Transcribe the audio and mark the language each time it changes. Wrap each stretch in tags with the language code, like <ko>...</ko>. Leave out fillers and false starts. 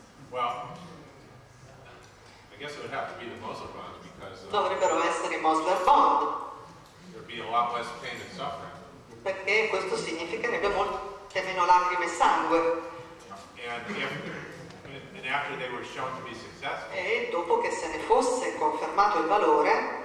<en>Well, I guess it would have to be the Mosler bond.</en> <it>Dovrebbero essere i Mosler bond.</it> <en>There'd be a lot less pain and suffering.</en> <it>Perché questo significherebbe molte meno lacrime e sangue.</it> <en>And after they were shown to be successful,</en> <it>e dopo che se ne fosse confermato il valore,</it>